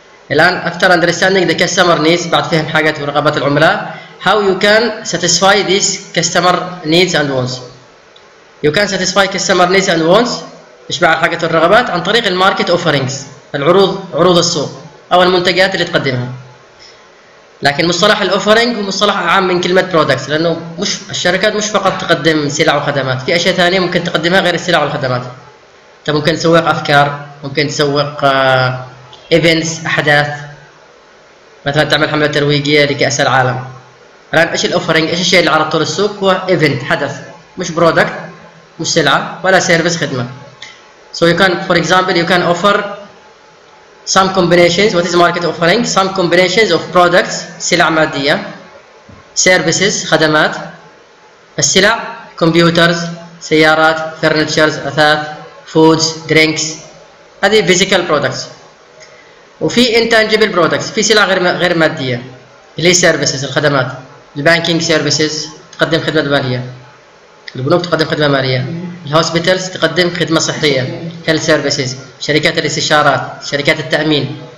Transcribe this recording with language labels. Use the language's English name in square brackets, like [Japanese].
[English] الآن after understanding the customer needs, [Arabic] بعد فهم حاجة ورغبات العملاء, [English] how you can satisfy these customer needs and wants. You can satisfy customer needs and wants, [Arabic] إشباع حاجة الرغبات عن طريق الماركت offerings, العروض, عروض السوق أو المنتجات اللي تقدمها. لكن مصطلح الأوفرينج هو مصطلح عام من كلمة برودكت, لأنه مش الشركات مش فقط تقدم سلع وخدمات, في أشياء ثانية ممكن تقدمها غير السلع والخدمات. أنت ممكن تسوق أفكار, ممكن تسوق إيفنتس, أحداث, مثلا تعمل حملة ترويجية لكأس العالم. الآن إيش الأوفرينج؟ إيش الشيء اللي عرضته للسوق؟ هو إيفنت, حدث, مش برودكت, مش سلعة ولا سيرفيس, خدمة. [English] So you can for example you can offer some combinations. What is market offering? Some combinations of products, [Arabic] سلع مادية, [English] services, خدمات. السلع computers, سيارات, furnitures, أثاث, foods, drinks. هذه physical products. [Arabic] وفي [English] intangible products, [Arabic] في سلع غير مادية, اللي هي services, الخدمات. البانكينج services, تقدم خدمة مالية. البنوك تقدم خدمة مالية. الهوسبيتالز تقدم خدمة صحية. هيلث سيرفيسز, شركات الاستشارات, شركات التأمين.